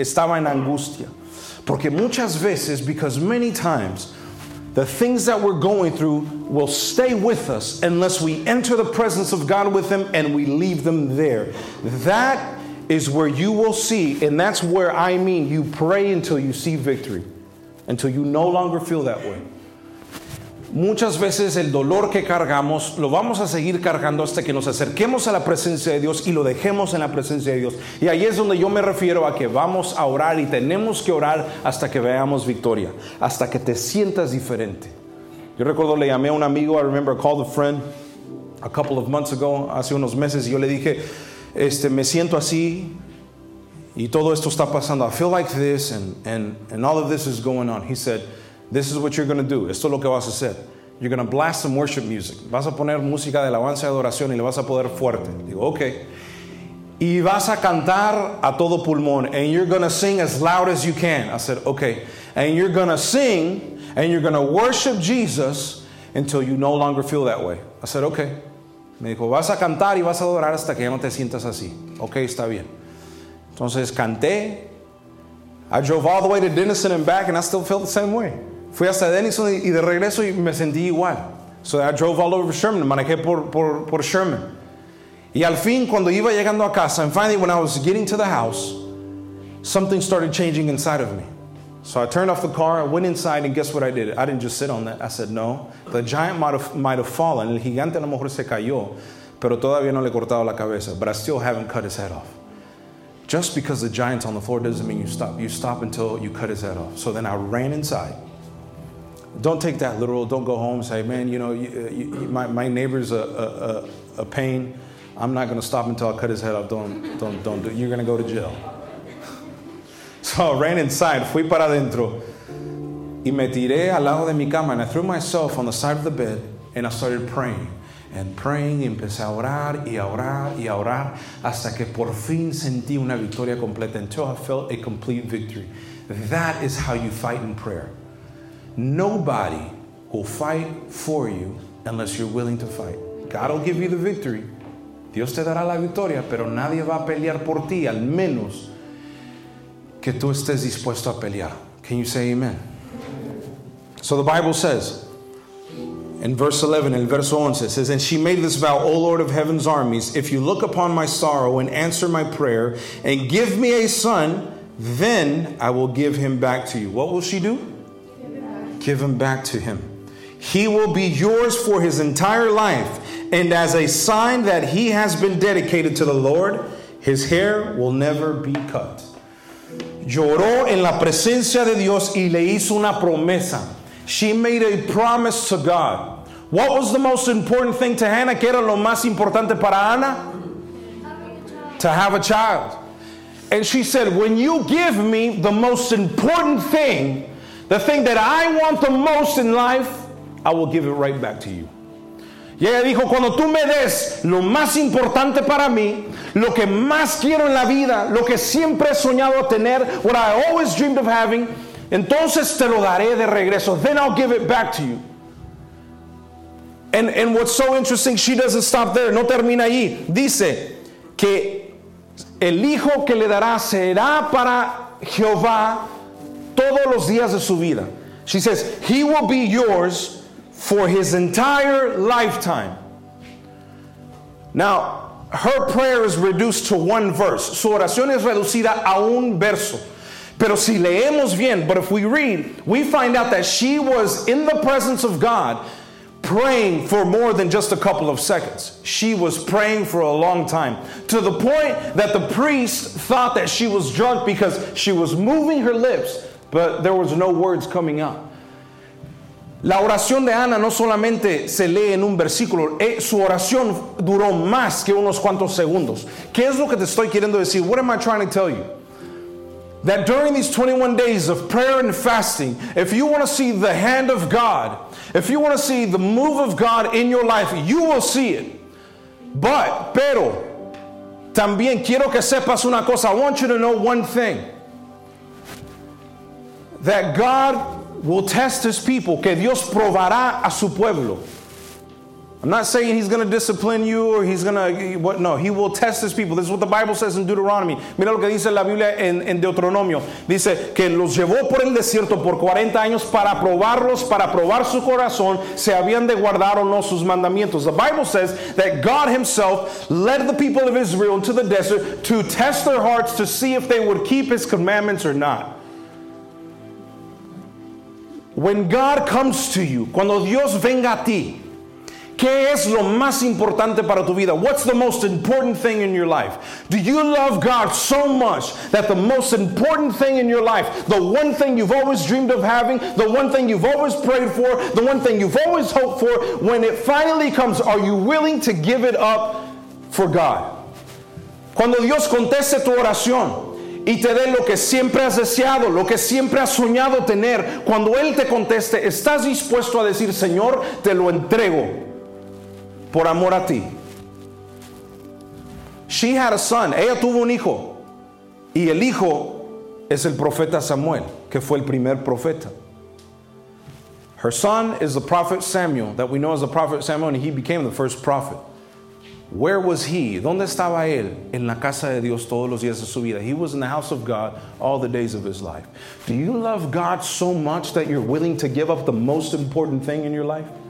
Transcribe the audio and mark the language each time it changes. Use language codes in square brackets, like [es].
[es] Estaba en angustia. Porque muchas veces, [en] because many times, the things that we're going through will stay with us unless we enter the presence of God with them and we leave them there. That is where you will see, and that's where I mean, you pray until you see victory, until you no longer feel that way. [es] Muchas veces el dolor que cargamos lo vamos a seguir cargando hasta que nos acerquemos a la presencia de Dios y lo dejemos en la presencia de Dios. Y ahí es donde yo me refiero a que vamos a orar y tenemos que orar hasta que veamos victoria, hasta que te sientas diferente. Yo recuerdo, le llamé a un amigo, [en] I remember I called a friend a couple of months ago, [es] hace unos meses, y yo le dije, me siento así y todo esto está pasando. [en] I feel like this and all of this is going on. He said, this is what you're going to do. [es] Esto es lo que vas a hacer. [en] You're going to blast some worship music. [es] Vas a poner música de alabanza y adoración y le vas a poner fuerte. Digo, okay. Y vas a cantar a todo pulmón. [en] And you're going to sing as loud as you can. I said, okay. And you're going to sing and you're going to worship Jesus until you no longer feel that way. I said, okay. [es] Me dijo, vas a cantar y vas a adorar hasta que ya no te sientas así. Okay, está bien. Entonces, canté. [en] I drove all the way to Denison and back and I still felt the same way. [es] Fui hasta Denison y de regreso y me sentí igual. [en] So I drove all over Sherman, [es] manejé por Sherman. Y al fin, cuando iba llegando a casa, [en] and finally when I was getting to the house, something started changing inside of me. So I turned off the car, I went inside, and guess what I did? I didn't just sit on that. I said, no, the giant might have fallen. [es] El gigante a lo mejor se cayó, pero todavía no le he cortado la cabeza. [en] But I still haven't cut his head off. Just because the giant's on the floor doesn't mean you stop. You stop until you cut his head off. So then I ran inside. Don't take that literal. Don't go home and say, man, you know, my neighbor's a pain. I'm not going to stop until I cut his head off. Don't do it. You're going to go to jail. So I ran inside. [es] Fui para adentro. Y me tiré al lado de mi cama. [en] And I threw myself on the side of the bed. And I started praying. And praying. [es] Y empecé a orar y a orar y a orar. Hasta que por fin sentí una victoria completa. [en] Until I felt a complete victory. That is how you fight in prayer. Nobody will fight for you unless you're willing to fight. God will give you the victory. [es] Dios te dará la victoria, pero nadie va a pelear por ti, al menos que tú estés dispuesto a pelear. [en] Can you say amen? So the Bible says, in verse 11, in verse 11, it says, and she made this vow, O Lord of heaven's armies, if you look upon my sorrow and answer my prayer and give me a son, then I will give him back to you. What will she do? Give him back to him. He will be yours for his entire life. And as a sign that he has been dedicated to the Lord, his hair will never be cut. [es] Lloró en la presencia de Dios y le hizo una promesa. [en] She made a promise to God. What was the most important thing to Hannah? [es] ¿Qué era lo más importante para Ana? [en] To have a child. And she said, when you give me the most important thing, the thing that I want the most in life, I will give it right back to you. [es] Y ella dijo, cuando tú me des lo más importante para mí, lo que más quiero en la vida, lo que siempre he soñado tener, [en] what I always dreamed of having, [es] entonces te lo daré de regreso. [en] Then I'll give it back to you. And what's so interesting, she doesn't stop there. [es] No termina ahí. Dice que el hijo que le dará será para Jehová todos los días de su vida. [en] She says, he will be yours for his entire lifetime. Now, her prayer is reduced to one verse. [es] Su oración es reducida a un verso. Pero si leemos bien, [en] but if we read, we find out that she was in the presence of God praying for more than just a couple of seconds. She was praying for a long time, to the point that the priest thought that she was drunk because she was moving her lips, but there was no words coming out. [es] La oración de Ana no solamente se lee en un versículo, su oración duró más que unos cuantos segundos. ¿Qué es lo que te estoy queriendo decir? [en] What am I trying to tell you? That during these 21 days of prayer and fasting, if you want to see the hand of God, if you want to see the move of God in your life, you will see it. [es] Pero, también quiero que sepas una cosa. [en] I want you to know one thing. That God will test his people. [es] Que Dios probará a su pueblo. [en] I'm not saying he's going to discipline you or he's going to... What, no, he will test his people. This is what the Bible says in Deuteronomy. [es] Mira lo que dice la Biblia en Deuteronomio. Dice que los llevó por el desierto por 40 años para probarlos, para probar su corazón, si habían de guardar o no sus mandamientos. [en] The Bible says that God himself led the people of Israel into the desert to test their hearts to see if they would keep his commandments or not. When God comes to you, [es] cuando Dios venga a ti, ¿qué es lo más importante para tu vida? [en] What's the most important thing in your life? Do you love God so much that the most important thing in your life, the one thing you've always dreamed of having, the one thing you've always prayed for, the one thing you've always hoped for, when it finally comes, are you willing to give it up for God? [es] Cuando Dios conteste tu oración y te dé lo que siempre has deseado, lo que siempre has soñado tener, cuando Él te conteste, ¿estás dispuesto a decir, Señor, te lo entrego? Por amor a ti. [en] She had a son. [es] Ella tuvo un hijo. Y el hijo es el profeta Samuel, que fue el primer profeta. [en] Her son is the prophet Samuel, that we know as the prophet Samuel, and he became the first prophet. Where was he? [es] ¿Dónde estaba él? En la casa de Dios todos los días de su vida. [en] He was in the house of God all the days of his life. Do you love God so much that you're willing to give up the most important thing in your life?